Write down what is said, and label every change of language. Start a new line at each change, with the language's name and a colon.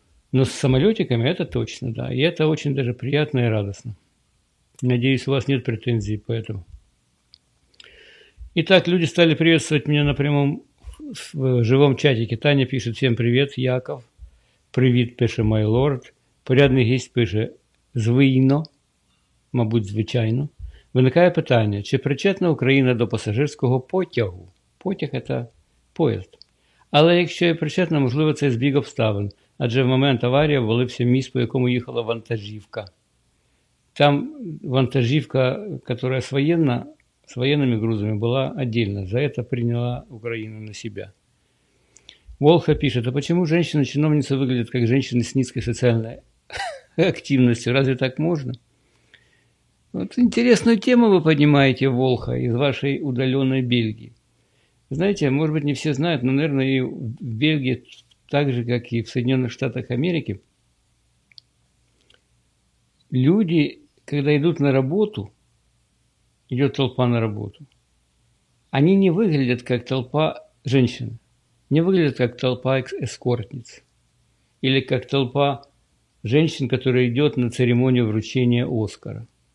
Russian: Но с самолетиками это точно, да. И это очень даже приятно и радостно. Надеюсь, у вас нет претензий по этому. Итак, люди стали приветствовать меня на прямом, в живом чатике. Таня пишет: «Всем привет, Яков». «Привет», пишет «My Lord».
Ukrainian: Порядний гість пише: «Звийно», мабуть, звичайно. Виникає питання, чи причетна Україна до пасажирського потягу? Потяг – це поїзд. Але якщо є причетна, можливо, це збіг обставин. Адже в момент аварії обвалився міст, по якому їхала вантажівка. Там вантажівка, яка воєнна, з воєнними грузами, була віддільна. За це прийняла Україна на себе. Волха пише: «А чому жінка-чиновниця виглядить, як жінка з низької соціальної активностью?
Russian: Разве так можно?» Вот интересную тему вы поднимаете, Волха, из вашей удаленной Бельгии. Знаете, может быть, не все знают, но, наверное, и в Бельгии, так же, как и в Соединенных Штатах Америки, люди, когда идут на работу, идет толпа на работу, они не выглядят как толпа женщин, не выглядят как толпа эскортниц или как толпа женщин, которая идет на церемонию вручения Оскара.